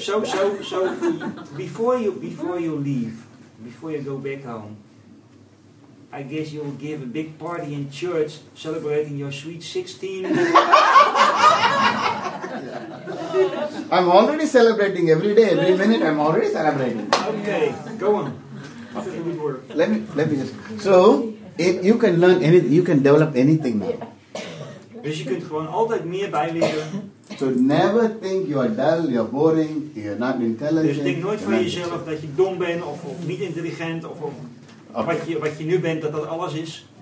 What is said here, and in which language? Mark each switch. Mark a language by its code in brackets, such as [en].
[en] So, before you leave, before you go back home, I guess you'll give a big party in church celebrating your sweet 16. Yeah. I'm already celebrating every day, every minute. I'm already celebrating. Okay, go on. Okay. Let me just. So, if you can learn anything, you can develop anything now. [nl] Dus je kunt gewoon altijd meer bijleren. [en] So never think you are dull, you are boring, you are not intelligent. [nl] Dus denk nooit van jezelf dat je dom bent of niet intelligent of wat je nu bent dat alles is.